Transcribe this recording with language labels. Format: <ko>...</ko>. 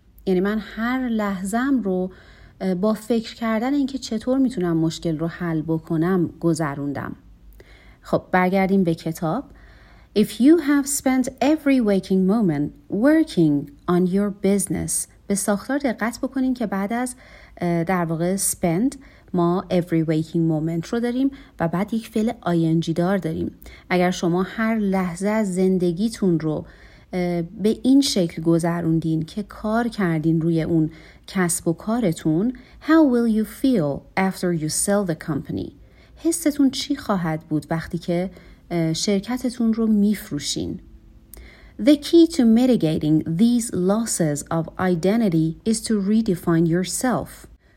<fa>یعنی من هر لحظه‌ام رو با فکر کردن اینکه چطور میتونم مشکل رو حل بکنم گذروندم. خب برگردیم به کتاب.</fa> <en>If you have spent every waking moment working on your business.</en> <fa>به ساختار دقت بکنین که بعد از در واقع spend ما</fa> <en>every waking moment</en> <fa>رو داریم و بعد یک فعل ing دار داریم. اگر شما هر لحظه از زندگیتون رو به این شکل گذروندین که کار کردین روی اون کسب و کارتون،</fa> <en>How will you feel after you sell the company؟</en> <fa>حستون چی خواهد بود وقتی که شرکتتون رو میفروشین؟</fa> <en>The key to mitigating these losses of identity is to redefine yourself.</en>